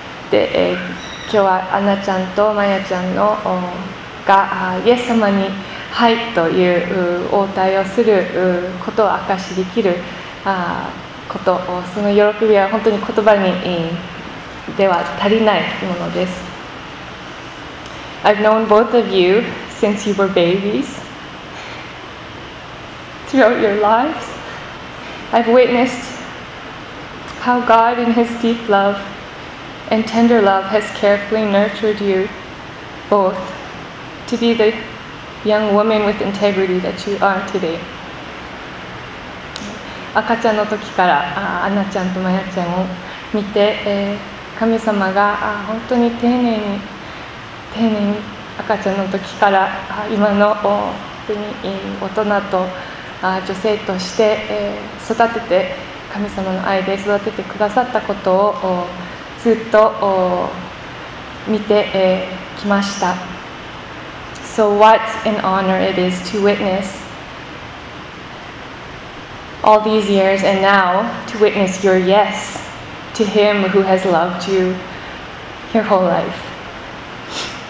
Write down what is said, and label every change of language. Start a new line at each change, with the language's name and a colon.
Japanese: で、今日はアナちゃんとマヤちゃんのがイエス様に「はい」という応対をすることを証しできること、その喜びは本当に言葉にでは足りないものです。
English: I've known both of you since you were babies. Throughout your lives, I've witnessedHow God in His deep love and tender love has carefully nurtured you both to be the young woman with integrity that you are today.
Japanese: 赤ちゃんの時からアナちゃんとマヤちゃんを見て、神様が本当に丁寧に丁寧に赤ちゃんの時から今の本当に大人と女性として育てて、神様の愛で育ててくださったことをずっと見てきました。
English: So what an honor it is to witness all these years and now to witness your yes to Him who has loved you your whole life.